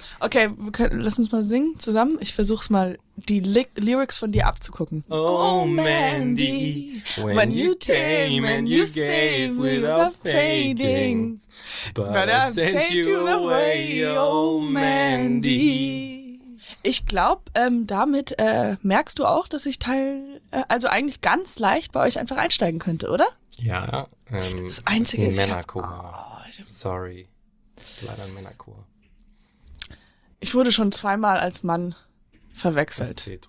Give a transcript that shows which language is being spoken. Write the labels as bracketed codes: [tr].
[de] Okay, lass uns mal singen zusammen. Ich versuch's mal, die Lyrics von dir abzugucken. [en] Oh, Mandy, when you came and you gave without thinking, but I sent you away, oh, Mandy. [de] Ich glaube, damit merkst du auch, dass ich also eigentlich ganz leicht bei euch einfach einsteigen könnte, oder? Ja. Das Einzige ist, Das ist leider ein Männerchor. Ich wurde schon zweimal als Mann verwechselt.